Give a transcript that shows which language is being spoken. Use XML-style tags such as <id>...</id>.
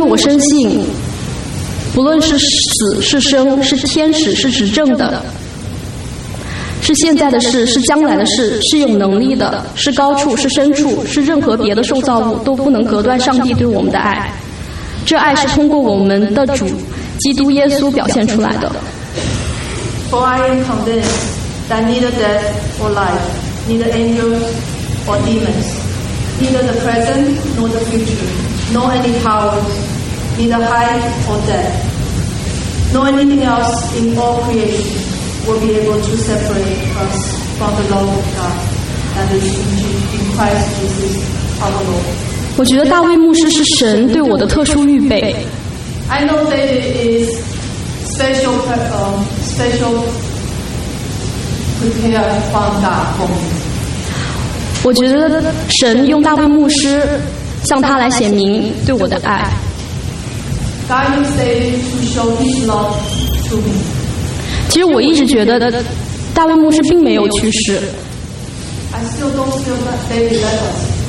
<zh>因为我深信，不论是死是生，是天使是执政的，是现在的事是将来的事，是有能力的，是高处是深处，是任何别的受造物，都不能隔断上帝对我们的爱。这爱是通过我们的主基督耶稣表现出来的。</zh> <en>For I am convinced that neither death or life, neither angels or demons, neither the present nor the future, nor any powers, neither height or depth, nor anything else in all creation will be able to separate us from the love of God that is in Christ Jesus our Lord.</en> <zh>我觉得大卫牧师是神对我的特殊预备。</zh> <en>I know David is special, special prepared from God for me.</en> <zh>我觉得神用大卫牧师向他来显明对我的爱。</zh> <en>God used David to show his love to me.</en> <zh>其实我一直觉得大卫牧师并没有去世。</zh> <en>I still don't feel that David left us.</en>